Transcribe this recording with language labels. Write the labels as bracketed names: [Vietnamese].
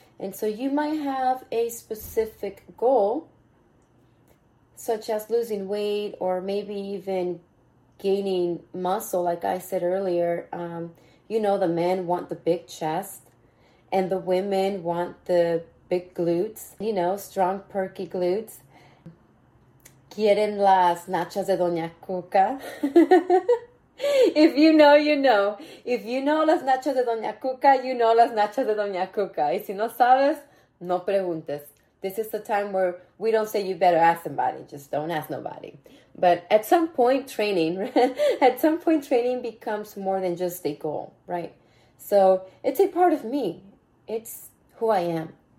[English] And so you might have a specific goal, such as losing weight or maybe even gaining muscle. Like I said earlier, you know, the men want the big chest and the women want the big glutes, you know, strong, perky glutes. [Spanish] Quieren las nachas de Doña Cuca. [English] If you know, you know. If you know [Spanish] las nachas de Doña Cuca, [English] you know las nachas de Doña Cuca. [Spanish] Y si no sabes, no preguntes. [English] This is the time where we don't say you better ask somebody. Just don't ask nobody. But at some point, training, at some point, training becomes more than just a goal, right? So it's a part of me. It's who I am.